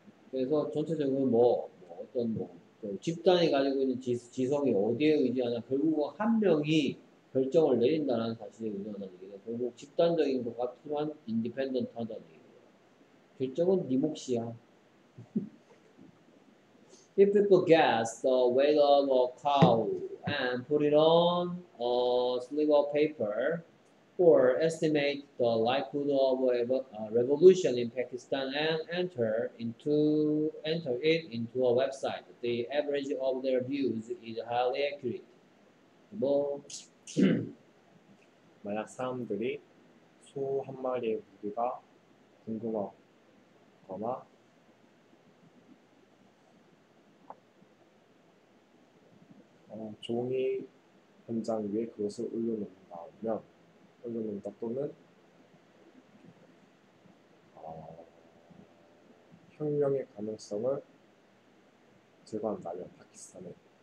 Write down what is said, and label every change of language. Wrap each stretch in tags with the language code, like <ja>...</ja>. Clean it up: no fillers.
<ko>그래서 전체적으로 어떤 집단이 가지고 있는 지성이 어디에 의지하냐. 결국은 한 명이 결정을 내린다는 사실에 의존하다는 얘기죠. 결국 집단적인 것 같지만 인디펜던트하다는 얘기예요. 결정은 네 몫이야.</ko> <en>If people guess the weight of a cow and put it on a slip of paper, or estimate the likelihood of a revolution in Pakistan and enter it into a website, the average of their views is highly accurate.</en> <ko>뭐? 만약 사람들이 소한 마리의 무게가 궁금하거나 종이 현장 위에 그것을 올려놓는다면, 올려놓는다 또는 혁명의 가능성을 제거한다면 파키스탄에.</ko>